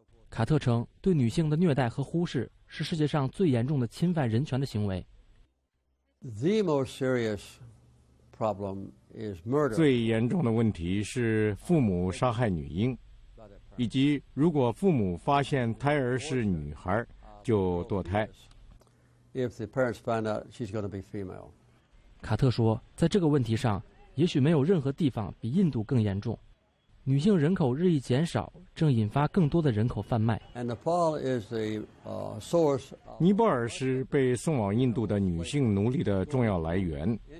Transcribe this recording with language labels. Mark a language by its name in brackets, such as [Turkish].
[Chinese] 卡特称，对女性的虐待和忽视是世界上最严重的侵犯人权的行为。 [English] The most serious problem is murder. [Chinese] 最严重的问题是父母杀害女婴，以及如果父母发现胎儿是女孩就堕胎。 [English] If the parents find out she's going to be female. [Chinese] 卡特说，在这个问题上，也许没有任何地方比印度更严重。女性人口日益减少，正引发更多的人口贩卖。尼泊尔是被送往印度的女性奴隶的重要来源。